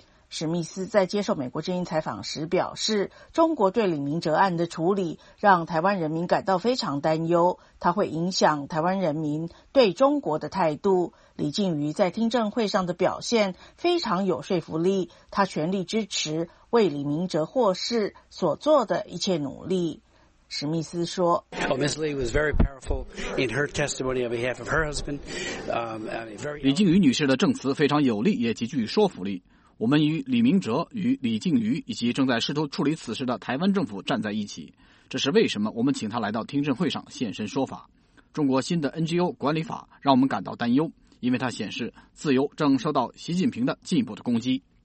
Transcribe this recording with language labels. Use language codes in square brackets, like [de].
[zh] 史密斯在接受美国之音采访时表示，中国对李明哲案的处理让台湾人民感到非常担忧，它会影响台湾人民对中国的态度。李静瑜在听证会上的表现非常有说服力，他全力支持为李明哲获释所做的一切努力。史密斯说， [en] Ms. Lee was very powerful in her testimony on behalf of her husband. [zh] 李静瑜女士的证词非常有力，也极具说服力。我们与李明哲、与李静瑜以及正在试图处理此事的台湾政府站在一起，这是为什么我们请他来到听证会上现身说法。中国新的 NGO 管理法让我们感到担忧，因为它显示自由正受到习近平的进一步的攻击。